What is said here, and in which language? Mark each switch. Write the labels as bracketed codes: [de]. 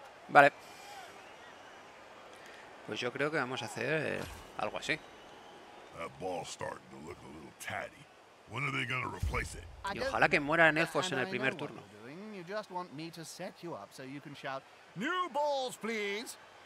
[es] Vale. Pues yo creo que vamos a hacer algo así. [en] That ball's starting to look a little tatty. When are they going to replace it? [es] Y ojalá que mueran elfos en el primer turno. [en] You just want me to set you up so you can shout, "New balls, please."